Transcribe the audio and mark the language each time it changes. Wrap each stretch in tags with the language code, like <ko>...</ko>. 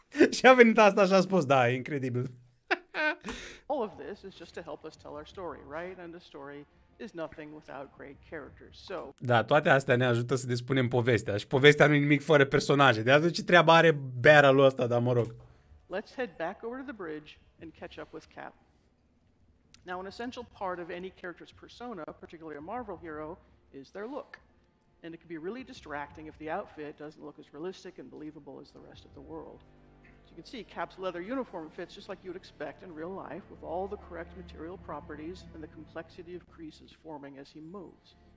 <ro>Și a venit asta și a spus, da, incredibil.</ro> <en>All of this is just to help us tell our story, right? And a story is nothing without great characters. So,</en> <ro>da, toate astea ne ajută să despunem povestea. Și povestea nu e nimic fără personaje. De atunci ce treabă are barrel-ul ăsta, dar mă rog.</ro> <en>Let's head back over to the bridge and catch up with Cap. Now, an essential part of any character's persona, particularly a Marvel hero, is their look. And it can be really distracting if the outfit doesn't look as realistic and believable as the rest of the world. You can see Cap's leather uniform fits just like you'd expect in real life, with all the correct material properties and the complexity of creases forming as he moves.</en>